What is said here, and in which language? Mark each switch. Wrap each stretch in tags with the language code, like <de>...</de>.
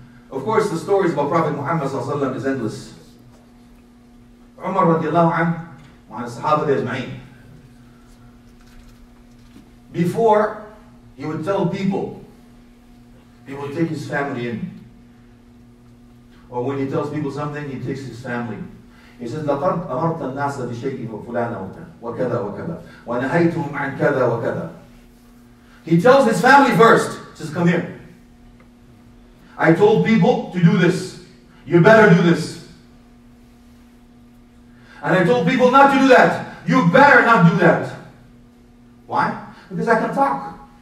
<en>Of course, the stories about Prophet Muhammad sallallahu alaihi wasallam is endless. Umar radiallahu anhu, wa sahaba ajma'in. Before, he would tell people, he would take his family in. Or when he tells people something, he takes his family. He says,</en> <ar>لَقَدْ أَمَرْتَ النَّاسَ بِشَيْءٍ وَفُلَانَ وَكَذَا وَكَذَا وَنَهَيْتُهُمْ عَنْ كَذَا وَكَذَا.</ar> <en>He tells his family first, says, come here. I told people to do this. You better do this. And I told people not to do that. You better not do that. Why? Because I can talk.</en>